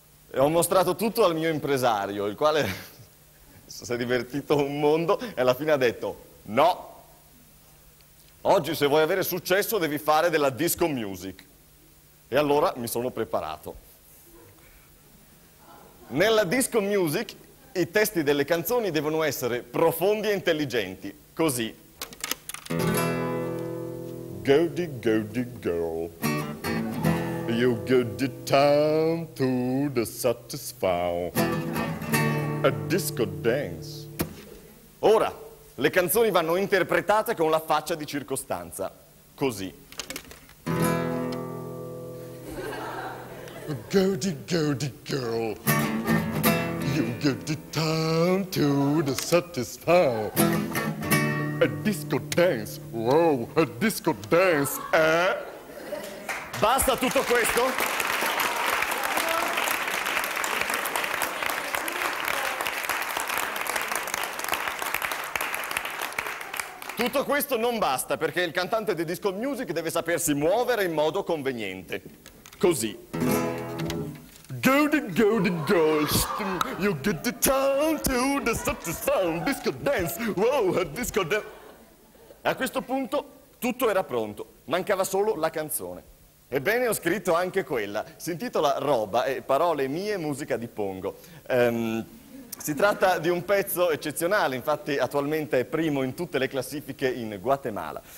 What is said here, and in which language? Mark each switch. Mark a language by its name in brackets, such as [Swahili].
[Italian] E ho mostrato tutto al mio impresario, il quale si è divertito un mondo e alla fine ha detto: no, oggi se vuoi avere successo devi fare della disco music. E allora mi sono preparato. Nella disco music i testi delle canzoni devono essere profondi e intelligenti, così. [English] Goody, goody girl, you goody time to the satisfy a disco dance. [Italian] Ora, le canzoni vanno interpretate con la faccia di circostanza, così. [English] Goody, goody girl, you goody time to the satisfy a disco dance, wow, a disco dance, eh? [Italian] Basta tutto questo? Tutto questo non basta, perché il cantante di disco music deve sapersi muovere in modo conveniente. Così. [English] Goody, goody, ghost, you get the time to the satisfaction, disco dance, wow, a disco dance. [Italian] E a questo punto tutto era pronto, mancava solo la canzone. Ebbene, ho scritto anche quella, si intitola Roba e parole mie, musica di Pongo. Si tratta di un pezzo eccezionale, infatti attualmente è primo in tutte le classifiche in Guatemala.